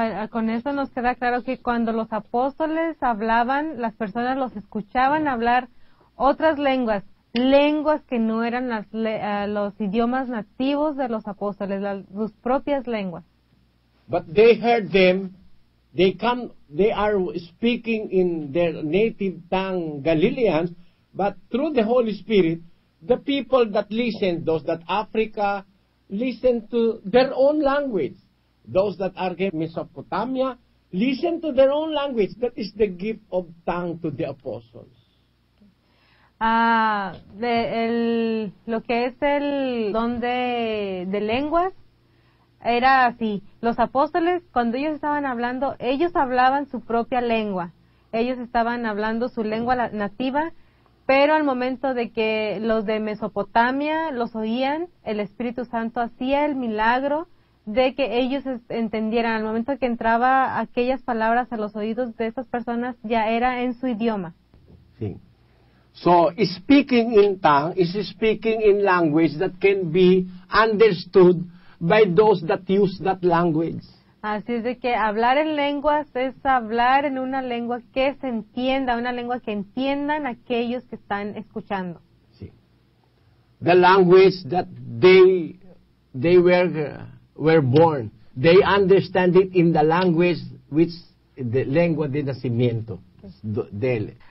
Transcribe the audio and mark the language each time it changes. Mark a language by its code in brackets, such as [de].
[es] Con eso nos queda claro que cuando los apóstoles hablaban, las personas los escuchaban hablar otras lenguas. Lenguas que no eran los idiomas nativos de los apóstoles, sus propias lenguas. [en] But they heard them. They are speaking in their native tongue, Galileans. But through the Holy Spirit, the people that listen, those that Africa, listen to their own language. Those that are in Mesopotamia, listen to their own language. That is the gift of tongue to the apostles. [es] Lo que es el don de lenguas, era así. Los apóstoles, cuando ellos estaban hablando, ellos hablaban su propia lengua. Ellos estaban hablando su lengua nativa. Pero al momento de que los de Mesopotamia los oían, el Espíritu Santo hacía el milagro de que ellos entendieran. Al momento que entraba aquellas palabras a los oídos de esas personas, ya era en su idioma. Sí. [en] So, speaking in tongues is speaking in language that can be understood by those that use that language. [es] Así es de que hablar en lenguas es hablar en una lengua que se entienda, una lengua que entiendan aquellos que están escuchando. [en] Sí. The language that they were born, They understand it in the language, which the [es] lengua de nacimiento de él.